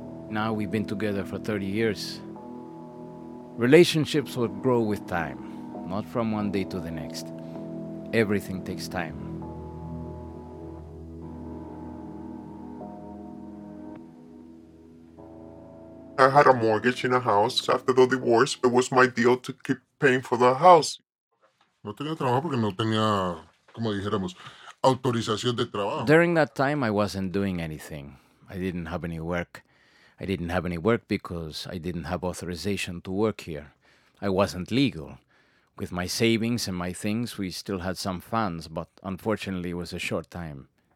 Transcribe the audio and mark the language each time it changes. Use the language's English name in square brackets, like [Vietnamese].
[English] Now we've been together for 30 years. Relationships will grow with time, not from one day to the next. Everything takes time. I had a mortgage in a house after the divorce. It was my deal to keep paying for the house. [Spanish] No tenía trabajo porque no tenía, como dijéramos, autorización de trabajo. [English] During that time, I wasn't doing anything. I didn't have any work. I didn't have any work because I didn't have authorization to work here. I wasn't legal. With my savings and my things, we still had some funds, but unfortunately, it was a short time.